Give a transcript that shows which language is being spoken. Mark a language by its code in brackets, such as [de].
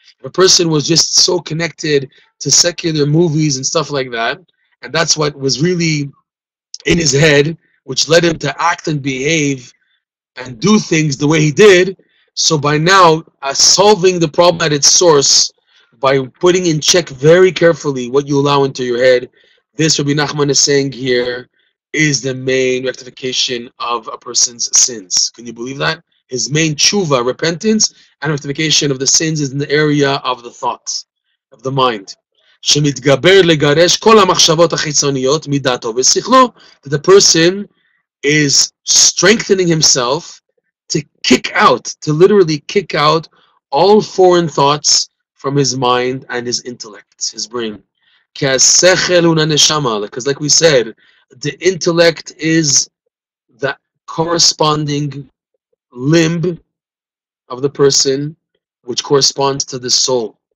[en] If a person was just so connected to secular movies and stuff like that, and that's what was really in his head, which led him to act and behave and do things the way he did, so by now, solving the problem at its source, by putting in check very carefully what you allow into your head, this Rabbi Nachman is saying here is the main rectification of a person's sins. Can you believe that? His main tshuva, repentance, and rectification of the sins is in the area of the thought, of the mind. [he] שמתגבר לגרש כל המחשבות החיצוניות מדעתו ושכלו. [en] That the person is strengthening himself to kick out, to literally kick out all foreign thoughts from his mind and his intellect, his brain. Because like we said, the intellect is the corresponding limb of the person which corresponds to the soul.